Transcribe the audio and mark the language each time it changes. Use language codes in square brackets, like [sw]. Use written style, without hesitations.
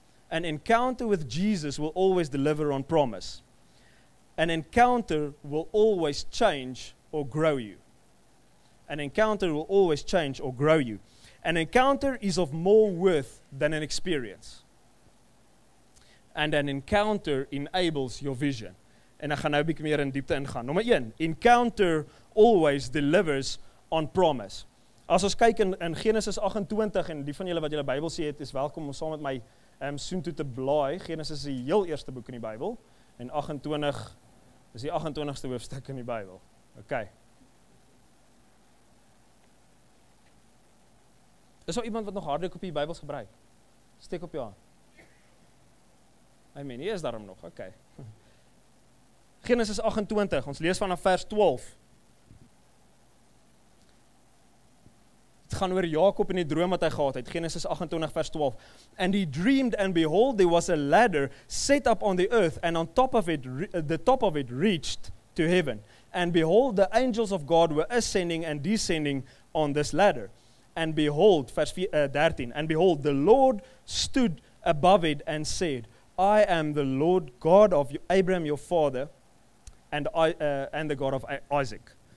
[en] An encounter with Jesus will always deliver on promise. An encounter will always change or grow you. An encounter will always change or grow you. An encounter is of more worth than an experience. And an encounter enables your vision. [af] En ek gaan nou 'n bietjie meer in diepte ingaan. Nommer 1, [en] encounter always delivers on promise. [af] As ons kyk in Genesis 28, en die van julle wat julle Bybel sê het, is welkom om saam met my soon toe te blaai. Genesis is die heel eerste boek in die Bybel, en 28 is die 28ste hoofstuk in die Bybel. Okay. Is daar iemand wat nog harde kopie Bybels gebruik? Steek op jou hand. Amen, hier is daarom nog, okay. Genesis 28, ons lees vanaf vers 12. Het gaan oor Jakob en die droom wat hy gehad het. Genesis 28 vers 12. [en] And he dreamed and behold there was a ladder set up on the earth and on top of it, the top of it reached to heaven. And behold the angels of God were ascending and descending on this ladder. And behold, [af] vers 13. [en] And behold the Lord stood above it and said, I am the Lord God of Abraham your father and the God of Isaac.